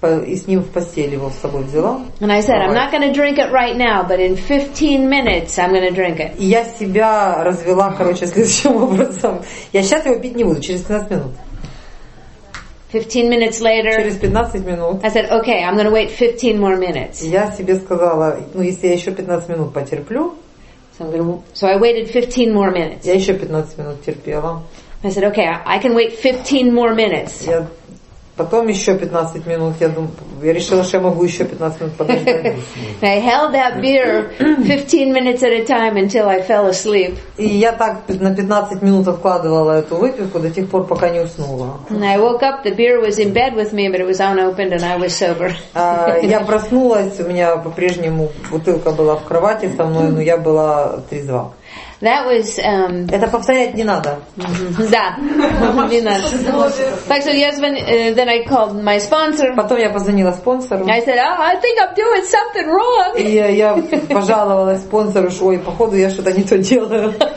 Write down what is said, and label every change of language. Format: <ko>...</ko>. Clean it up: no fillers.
<ru>И с ним в постель его с собой взяла.</ru> <en>And I said, I'm not going to drink it right now, but in 15 minutes I'm going to drink it.</en> <ru>И я себя развела, короче, следующим образом. Я сейчас его пить не буду, через 15 минут.</ru> <en>15 minutes later.</en> <ru>Через 15 минут.</ru> <en>I said, okay, I'm going to wait 15 more minutes.</en> <ru>Я себе сказала, ну если я еще 15 минут потерплю.</ru> <en>So I waited 15 more minutes.</en> <ru>Я еще 15 минут терпела.</ru> <en>I said, okay, I can wait 15 more minutes.</en> <ru>Я Потом еще 15 минут. Я решила, что я могу еще 15 минут подождать.</ru> <en>I held that beer 15 minutes at a time until I fell asleep.</en> <ru>И я так на 15 минут откладывала эту выпивку до тех пор, пока не уснула.</ru> <en>I woke up, the beer was in bed with me, but it was unopened and I was sober.</en> <ru>Я проснулась, у меня по-прежнему бутылка была в кровати со мной, но я была трезва.</ru> <en>That was.</en> <ru>Это повторять не надо. Да, не надо. Так что я звон.</ru> <en>Then I called my sponsor.</en> <ru>Потом я позвонила спонсору.</ru> <en>I said, oh, I think I'm doing something wrong.</en> <ru>И я пожаловалась спонсору, что, ой, походу я что-то не то делаю.</ru>